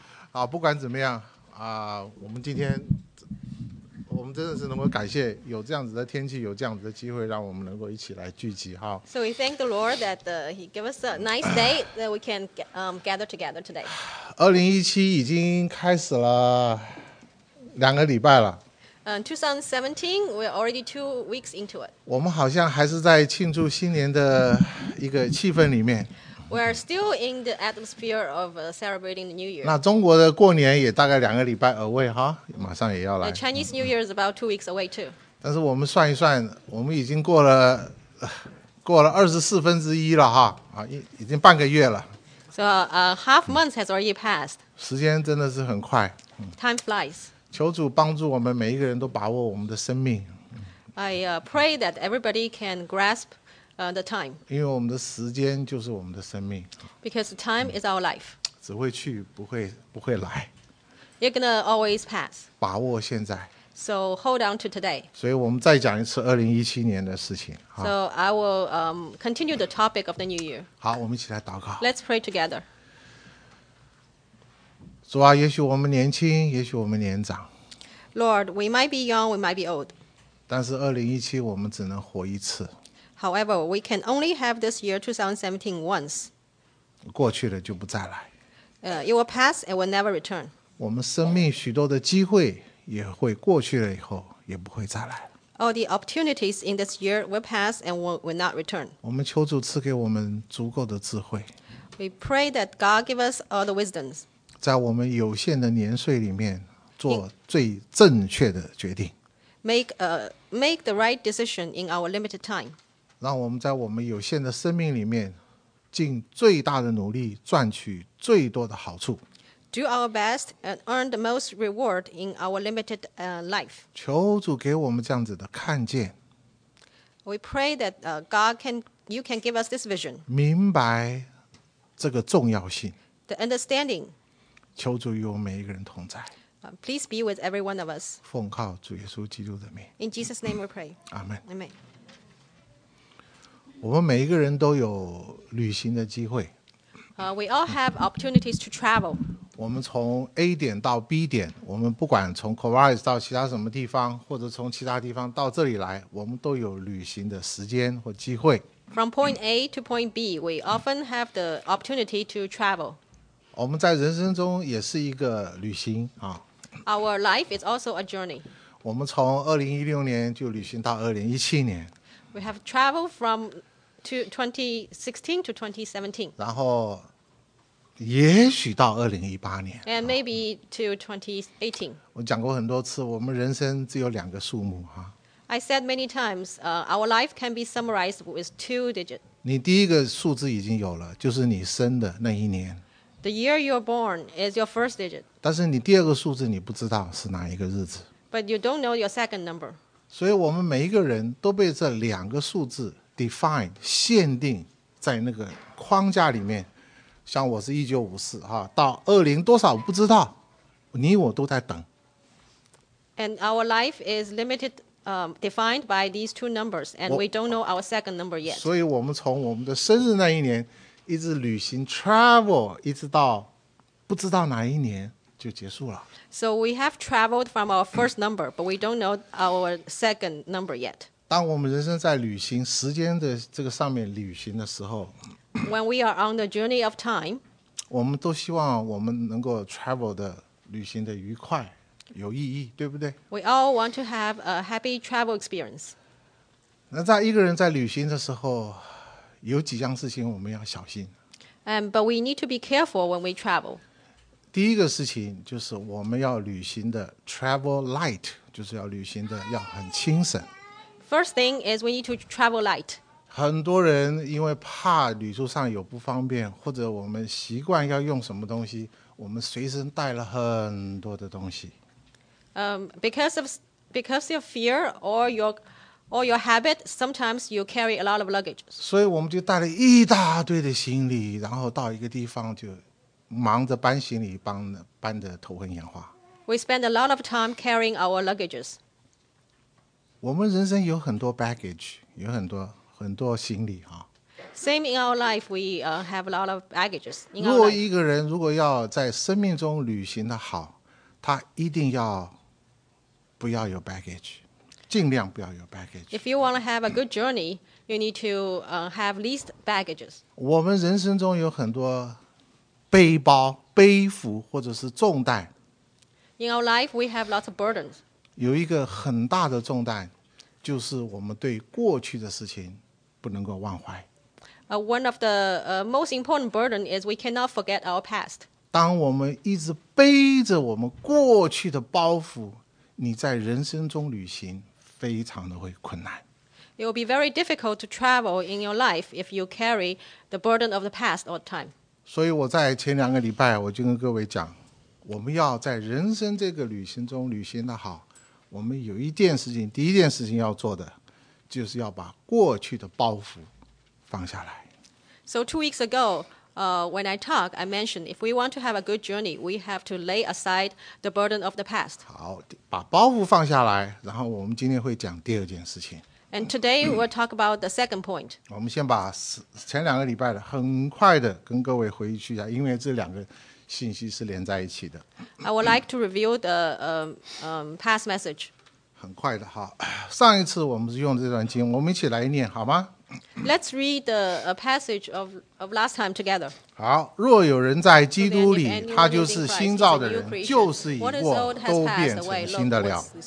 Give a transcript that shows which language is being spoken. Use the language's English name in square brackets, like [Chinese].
[Chinese] 好，不管怎么样啊，我们今天我们真的是能够感谢有这样子的天气，有这样子的机会，让我们能够一起来聚集哈。 [English] So we thank the Lord that He gave us a nice day that we can gather together today. [Chinese] 2017已经开始了两个礼拜了。 [English] 2017, we're already 2 weeks into it. [Chinese] 我们好像还是在庆祝新年的一个气氛里面。 [English] We are still in the atmosphere of celebrating the New Year. [Chinese] 那中国的过年也大概两个礼拜 away 哈，马上也要来。 [English] The Chinese New Year is about 2 weeks away too. [Chinese] 但是我们算一算，我们已经过了1/24了哈，啊，已经半个月了。 [English] So a half month has already passed. [Chinese] 时间真的是很快。 [English] Time flies. [Chinese] 求主帮助我们每一个人都把握我们的生命。 [English] I pray that everybody can grasp. The time. [Chinese] 因为我们的时间就是我们的生命。 [English] Because time is our life. [Chinese] 只会去，不会来。 [English] You're gonna always pass. [Chinese] 把握现在。 [English] So hold on to today. [Chinese] 所以我们再讲一次2017的事情。 [English] So I will continue the topic of the new year. [Chinese] 好，我们一起来祷告。 [English] Let's pray together. [Chinese] 主啊，也许我们年轻，也许我们年长。 [English] Lord, we might be young, we might be old. [Chinese] 但是2017我们只能活一次。 [English] However, we can only have this year 2017 once. [Chinese] 过去了就不再来。 [English] It will pass and will never return. [Chinese] 我们生命许多的机会也会过去了以后也不会再来。 [English] All the opportunities in this year will pass and will not return. [Chinese] 我们求主赐给我们足够的智慧。 [English] We pray that God give us all the wisdoms. [Chinese] 在我们有限的年岁里面做最正确的决定。 [English] Make the right decision in our limited time. [Chinese] 让我们在我们有限的生命里面尽最大的努力赚取最多的好处。 [English] Do our best and earn the most reward in our limited life. [Chinese] 求主给我们这样子的看见。 [English] We pray that God can, you can give us this vision. [Chinese] 明白这个重要性。 [English] The understanding. [Chinese] 求主与我们每一个人同在。 [English] Please be with every one of us. [Chinese] 奉靠主耶稣基督的名。 [English] In Jesus' name we pray. [Chinese] Amen. [English] Amen. [Chinese] 我们每一个人都有旅行的机会。 [English] We all have opportunities to travel. [Chinese] 我们从 A 点到 B 点，我们不管从 Corvallis 到其他什么地方，或者从其他地方到这里来，我们都有旅行的时间或机会。 [English] From point A to point B, we often have the opportunity to travel. [Chinese] 我们在人生中也是一个旅行啊。 [English] Our life is also a journey. [Chinese] 我们从2016就旅行到2017。 [English] We have traveled from 2016 to 2017. [Chinese] 然后也许到2018。 [English] And maybe to 2018. [Chinese] 我讲过很多次，我们人生只有两个数目。 [English] I said many times, our life can be summarized with 2 digits. [Chinese] 你第一个数字已经有了，就是你生的那一年。 [English] The year you're born is your first digit. [Chinese] 但是你第二个数字你不知道是哪一个日子。 [English] But you don't know your second number. [Chinese] 所以我们每一个人都被这两个数字 define 限定在那个框架里面，像我是1954哈，到20多少不知道，你我都在等。 [English] And our life is limited, defined by these two numbers, and we don't know our second number yet. [Chinese] 所以我们从我们的生日那一年一直旅行 travel， 一直到不知道哪一年。就结束了。 [English] So we have traveled from our first number, but we don't know our second number yet. [Chinese] 当我们人生在旅行时间的这个上面旅行的时候 [English] ，When we are on the journey of time, [Chinese] 我们都希望我们能够 travel 的旅行的愉快、有意义，对不对 [English] ？We all want to have a happy travel experience. [Chinese] 那在一个人在旅行的时候，有几样事情我们要小心。 [English] But we need to be careful when we travel. [Chinese] 第一个事情就是我们要旅行的 [English] travel light， [Chinese] 就是要旅行的要很轻省。 [English] First thing is we need to travel light。 [Chinese] 很多人因为怕旅途上有不方便，或者我们习惯要用什么东西，我们随身带了很多的东西。 [English] Because of fear or your or your habit, sometimes you carry a lot of luggage. [Chinese] 所以我们就带了一大堆的行李，然后到一个地方就忙着搬行李，搬得头昏眼花。 [English] We spend a lot of time carrying our luggages. [Chinese] 我们人生有很多 baggage, 有很多很多行李啊。 [English] Same in our life, we have a lot of baggages. [Chinese] 如果一个人如果要在生命中旅行的好，他一定要不要有 baggage, 尽量不要有 baggage. [English] If you want to have a good journey, you need to have least baggages. [Chinese] 我们人生中有很多背包、背负或者是重担。 [English] In our life, we have lots of burdens. [Chinese] 有一个很大的重担，就是我们对过去的事情不能够忘怀。 [English] One of the most important burden is we cannot forget our past. [Chinese] 当我们一直背着我们过去的包袱，你在人生中旅行非常的会困难。 [English] It will be very difficult to travel in your life if you carry the burden of the past all the time. [Chinese] 所以我在前两个礼拜我就跟各位讲，我们要在人生这个旅行中旅行的好，我们有一件事情，第一件事情要做的，就是要把过去的包袱放下来。 [English] So 2 weeks ago, when I talked, I mentioned if we want to have a good journey, we have to lay aside the burden of the past. [Chinese] 好，把包袱放下来，然后我们今天会讲第二件事情。 [English] And today we'll talk about the second point. [Chinese] 我们先把前两个礼拜的很快的跟各位回忆去一下，因为这两个信息是连在一起的。 [English] I would like to review the past message. [Chinese] 很快的哈，上一次我们是用这段经，我们一起来念好吗？ [English] Let's read the passage of last time together. [Chinese] 好，若有人在基督里，他就是新造的人，旧事已过，都变成新的了。